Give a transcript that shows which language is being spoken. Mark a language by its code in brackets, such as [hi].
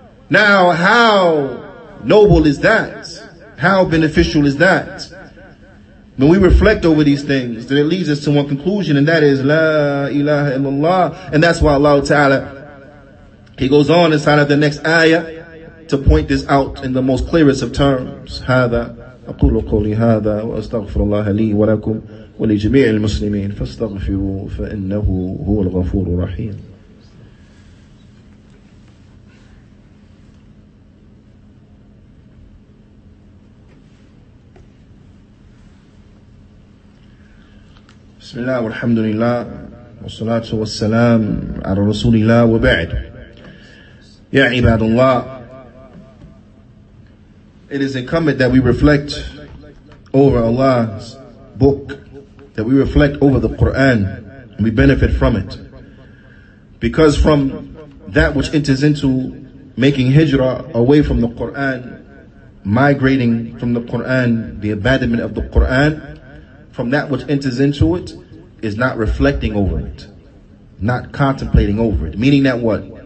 [en] Now, how noble is that? How beneficial is that? When we reflect over these things, then it leads us to one conclusion, and that is, La ilaha illallah. And that's why Allah Ta'ala, He goes on inside of the next ayah to point this out in the most clearest of terms. [ar] هذا أقول قولي هذا وأستغفر الله لي ولكم ولجميع المسلمين فاستغفروا فإنه هو الغفور الرحيم. بسم الله والحمد لله والصلاة والسلام على رسول الله وبعد. يا عباد الله, [en] it is incumbent that we reflect over Allah's book, that we reflect over the Quran, and we benefit from it. Because from that which enters into making hijrah away from the Quran, migrating from the Quran, the abandonment of the Quran, from that which enters into it, is not reflecting over it, not contemplating over it. Meaning that what?